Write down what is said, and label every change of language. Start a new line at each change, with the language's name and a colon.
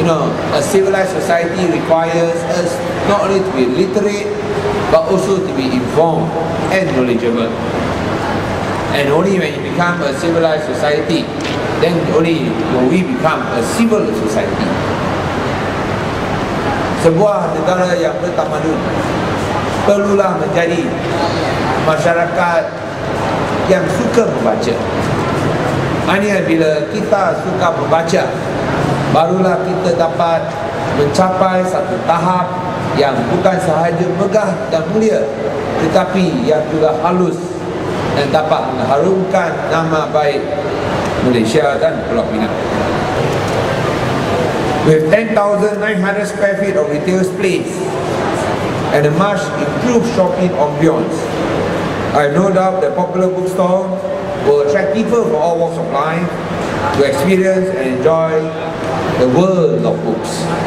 English: You know, a civilized society requires us not only to be literate, but also to be informed and knowledgeable. And only when you become a civilized society, then only will we become a civil society.
Malay: Sebuah negara yang bertamadun perlulah menjadi masyarakat yang suka membaca. Hanya bila kita suka membaca, barulah kita dapat mencapai satu tahap yang bukan sahaja megah dan mulia, tetapi yang juga halus dan dapat mengharumkan nama baik Malaysia dan Pulau Pinang.
English: With 10,900 square feet of retail space and a much improved shopping ambiance, I have no doubt that Popular Bookstore will attract people from all walks of life to experience and enjoy the world of books.